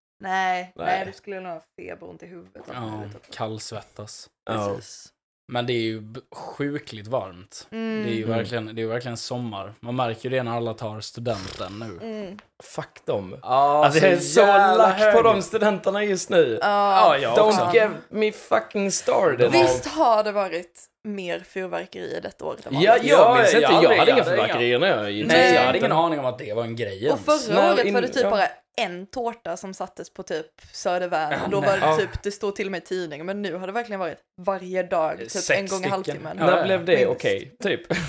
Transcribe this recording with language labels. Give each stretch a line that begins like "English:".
Swedish: Nej, du skulle nog ha feber ont i huvudet. Ja, kallsvettas. Precis. Men det är ju sjukligt varmt. Mm. Det är ju verkligen, det är verkligen sommar. Man märker ju det när alla tar studenten nu. Mm. Fuck dem. Alltså, det är så lack på de studenterna just nu.
English: Don't give me fucking started.
Swedish: Visst har det varit mer fyrverkerier detta året. Jag hade inga fyrverkerier. Jag hade ingen aning om att det var en grej. Och förra året var det typ bara en tårta som sattes på typ Södervärn. Då var det typ, det stod till och med i tidningen, men nu har det verkligen varit varje dag typ en gång i halvtimmen. När blev det okej? Typ.